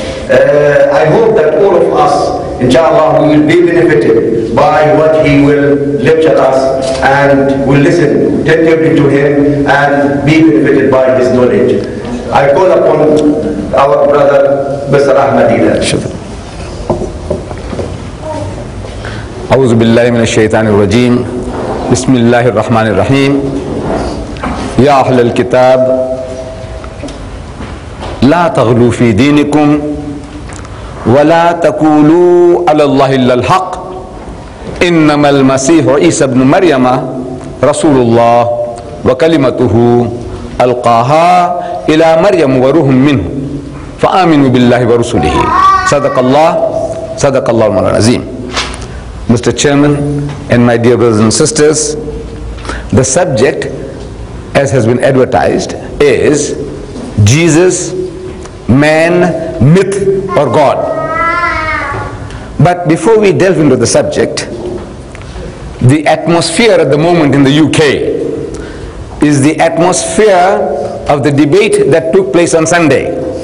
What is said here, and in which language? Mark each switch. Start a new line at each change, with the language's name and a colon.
English: I hope that all of us, inshallah, we will be benefited by what he will lecture us, and will listen attentively to him and be benefited by his knowledge. I call upon our brother Mr. Ahmed Didar.
Arabic: أعوذ بالله من الشيطان الرجيم. بسم الله الرحمن الرحيم. يا أهل الكتاب لا تغلوا في دينكم ولا تقولوا على الله إلا الحق، إنما المسيح عيسى بن مريم رسول الله وكلمته ألقاها إلى مريم وروح منه، فآمنوا بالله ورسله. صدق الله، صدق الله المولى العظيم.
English: Mr. Chairman and my dear brothers and sisters, the subject, as has been advertised, is Jesus, man, myth, or God. But before we delve into the subject, the atmosphere at the moment in the UK is the atmosphere of the debate that took place on Sunday.